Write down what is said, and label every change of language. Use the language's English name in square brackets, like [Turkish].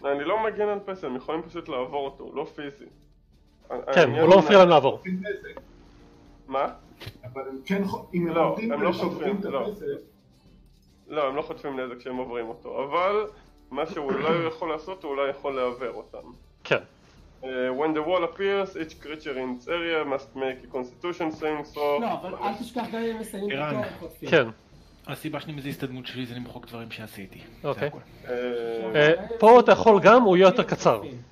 [Hebrew] אני לא מגן על פסל, הם יכולים פשוט לעבור אותו, לא פיזי. כן, הוא לא מפריע להם לעבור. מה? אבל הם חוטפים נזק. לא, הם לא חוטפים נזק כשהם עוברים אותו, אבל מה שהוא אולי יכול לעשות, הוא אולי יכול לעבר אותם. כן. [English] When the wall appears, each creature in its area must make a constitution saving throw. [Hebrew] לא, אבל אל תשכח גם אם מסיימים אותו, הם חוטפים. כן. הסיבה שאני מזיז את הדמות שלי זה למחוק דברים שעשיתי. אוקיי. פה אתה יכול גם, הוא יהיה יותר קצר.